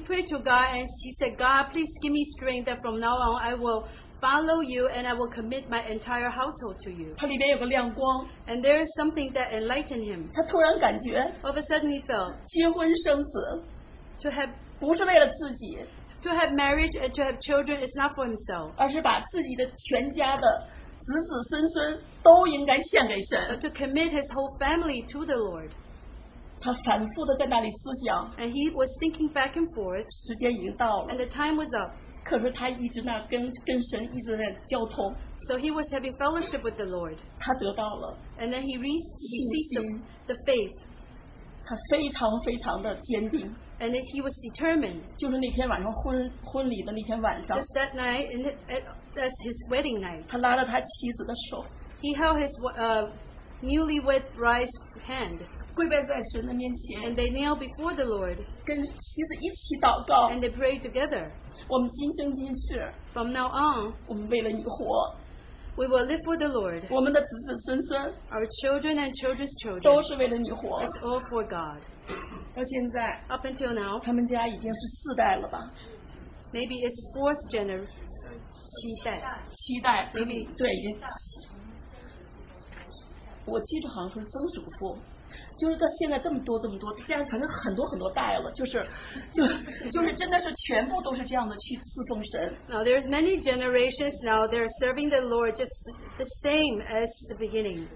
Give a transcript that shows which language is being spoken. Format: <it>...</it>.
<en>prayed to God and she said, "God, please give me strength that from now on I will follow you and I will commit my entire household to you."</en> <zh>他里边有个亮光,</zh> <en>and there is something that enlightened him.</en> <zh>他突然感觉,</zh> <en>all of a sudden he felt</en> <zh>结婚生子,</zh> <en>to have</en> <zh>不是为了自己,</zh> <en>to have marriage and to have children is not for himself,</en> <zh>而是把自己的全家的子子孙孙都应该献给神,</zh> <en>but to commit his whole family to the Lord.</en> <zh>他反复地在那里思想,</zh> <en>and he was thinking back and forth,</en> <zh>时间已经到了,</zh> <en>and the time was up.</en> <zh>可是他一直跟神一直在交通,</zh> <en>so he was having fellowship with the Lord.</en> <zh>他得到了,</zh> <en>and then he received the faith.</en> <zh>他非常非常的坚定,</zh> <en>and then he was determined.</en> <zh>就是那天晚上婚礼的那天晚上,</zh> <en>just that night, and that's his wedding night.</en> <zh>他拉着他妻子的手,</zh> <en>he held his newlywed bride's hand, and they kneel before the Lord,</en> <zh>跟妻子一起祷告,</zh> <en>and they pray together.</en> <zh>我们今生今世,</zh> <en>from now on,</en> <zh>我们为了你活,</zh> <en>we will live for the Lord.</en> <zh>我们的子子孙孙,</zh> <en>our children and children's children,</en> <zh>都是为了你活,</zh> <en>it's all for God.</en> <zh>到现在,</zh> <en>up until now,</en> <zh>他们家已经是四代了吧,</zh> <en>maybe it's fourth generation,</en> <zh>七代, 七代, maybe, 对, 我记得好像说是曾祖父, 就是到现在这么多这么多，现在反正很多很多代了，就是真的是全部都是这样的去侍奉神。</zh> <en>Now there's many generations now they're serving the Lord just the same as the beginning.</en>